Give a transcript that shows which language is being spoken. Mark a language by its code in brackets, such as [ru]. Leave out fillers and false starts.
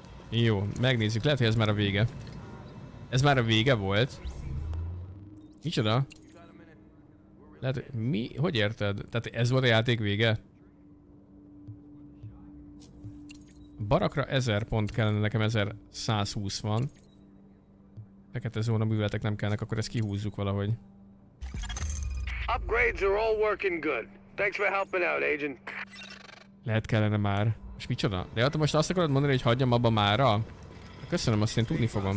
[hu] Jó, megnézzük. Lehet, hogy ez már a vége. Ez már a vége volt. Micsoda? Lehet, mi? Hogy érted? Tehát ez volt a játék vége? Barakra 1000 pont kellene, nekem 1120 van. Fekete zóna műveletek nem kellnek, akkor ezt kihúzzuk valahogy. [en] Upgrades are all working good. Thanks for helping out, agent. [hu] Lehet kellene már. És micsoda? De hát most azt akarod mondani, hogy hagyjam abba mára? Köszönöm, azt én tudni fogom.